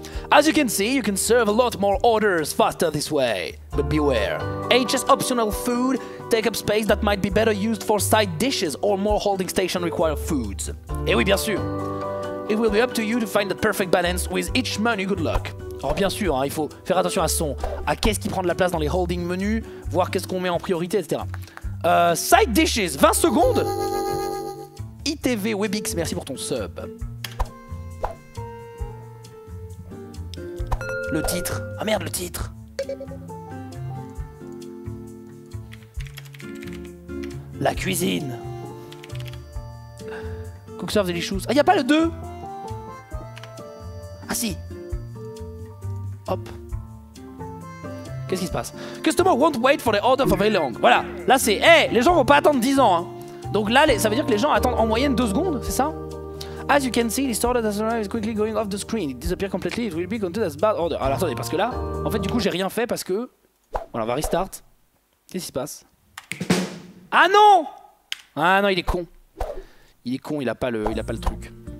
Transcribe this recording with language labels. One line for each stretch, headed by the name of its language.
English: As you can see, you can serve a lot more orders faster this way. But beware. H is optional food. Take up space that might be better used for side dishes or more holding station required foods.
French: Eh oui, bien sûr.
English: It will be up to you to find the perfect balance with each menu. Good luck.
French: Alors bien sûr, hein, il faut faire attention à son, à qu'est-ce qui prend de la place dans les holding menus, voir qu'est-ce qu'on met en priorité, etc. Side dishes, 20 secondes. ITV Webix, merci pour ton sub. Le titre. Ah merde, le titre. La cuisine. Cook serve delicious. Ah, y'a pas le 2. Ah si. Hop. Qu'est-ce qui se passe?
English: Customer won't wait for the order for very long.
French: Voilà, là c'est... Hé, les gens vont pas attendre 10 ans. Hein. Donc là, ça veut dire que les gens attendent en moyenne 2 secondes, c'est ça?
English: As you can see, this order that arrives is quickly going off the screen. It disappears completely, it will be counted as bad order.
French: Alors attendez, parce que là, en fait du coup j'ai rien fait parce que... Voilà, on va restart. Qu'est-ce qui se passe? Ah non! Ah non, il est con. Il est con, il a pas le truc.